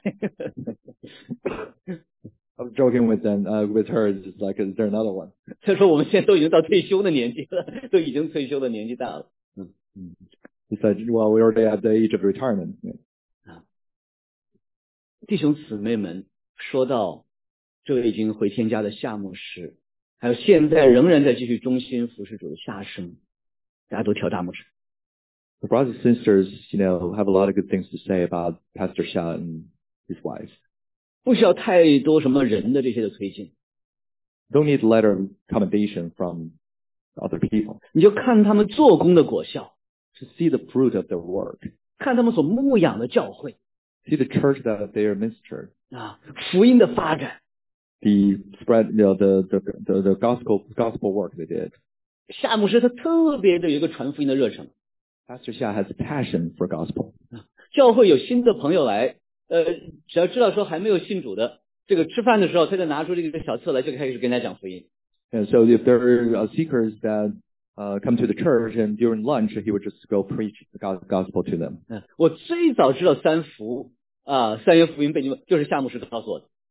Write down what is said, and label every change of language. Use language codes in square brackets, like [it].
[en] I was joking with them, with her, it's just like, is there another one? [zh] 他说我们现在都已经到退休的年纪了，都已经退休的年纪大了。 [en] He said, well, we're already at the age of retirement. Yeah. [zh] 弟兄姊妹们, 说到这位已经回天家的夏牧师，还有现在仍然在继续忠心服侍主的夏生，大家都挑大拇指。The [en] brothers and sisters, have a lot of good things to say about Pastor Xia and his wife. [zh] 不需要太多什么人的这些的推荐。Don't [en] need a letter of commendation from other people. [zh] 你就看他们做工的果效。To [en] see the fruit of their work. [zh] 看他们所牧养的教会。See [en] the church that they are ministered. [zh] 福音的发展 [en] the spread the gospel work they did [zh] 夏牧师他特别的有一个传福音的热诚 [en] Pastor Xia has a passion for gospel [zh] 教会有新的朋友来，只要知道说还没有信主的，这个吃饭的时候他就拿出这个小册来就开始跟他讲福音 [en] and so if there are seekers that come to the church and during lunch he would just go preach the gospel to them [zh] 我最早知道三福 三月福音被你们就是夏牧师告诉我的。